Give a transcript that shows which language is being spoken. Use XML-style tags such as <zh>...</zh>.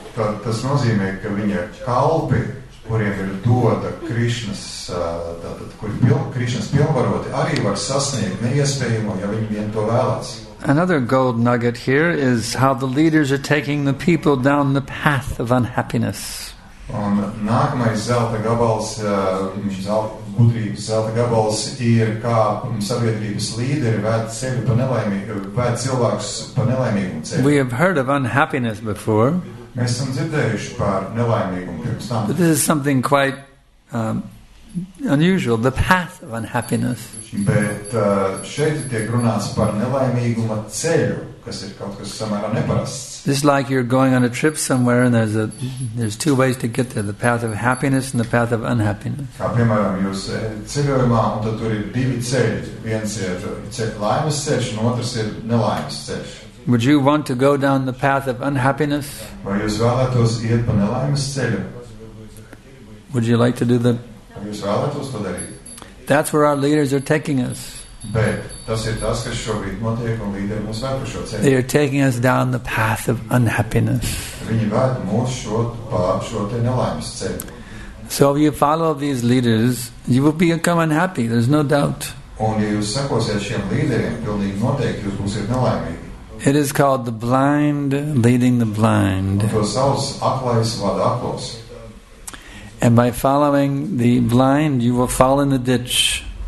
<lv>Tas nozīmē, ka viņa kalpi, kuriem ir dota Krišnas pilnvaroti, arī var sasniegt neiespējamo, ja viņi vien to vēlas.</lv> <en>Another gold nugget here is how the leaders are taking the people down the path of unhappiness.</en> <lv>Un nākamais zelta gabals ir, kā sabiedrības līderi ved cilvēkus pa nelaimīgumu ceļu.</lv> <en>We have heard of unhappiness before.</en> <lv>Mēs esam dzirdējuši par nelaimīgumu pirms tam.</lv> <en>But this is something quite unusual, the path of unhappiness.</en> <lv>Bet šeit tiek runāts par nelaimīguma ceļu, kas ir kaut kas samērā neparasts.</lv> <en>It's like you're going on a trip somewhere and there's two ways to get there, the path of happiness and the path of unhappiness.</en> <lv>Kā piemēram, jūs ceļojumā, un tad tur ir divi ceļi. Viens ir laimes ceļš, un otrs ir nelaimes ceļš.</lv> <en>Would you want to go down the path of unhappiness?</en> <lv>Vai jūs vēlētos iet pa nelaimes ceļu?</lv> <en>Would you like to do the...</en> <lv>Jūs vēlētos to darīt?</lv> <en>That's where our leaders are taking us.</en> <lv>Bet tas ir tas, kas šobrīd notiek, un līderi mūs vēl par šo ceļu.</lv> <en>They are taking us down the path of unhappiness.</en> <lv>Viņi ved mūs šo, pa šo te nelaimes ceļu.</lv> <en>So if you follow these leaders, you will become unhappy, there's no doubt.</en> <lv>Un ja jūs sekosiet šiem līderiem, pilnīgi noteikti jūs būsiet nelaimīgi.</lv> <en>It is called the blind leading the blind. And by following the blind, you will fall in the ditch.</en>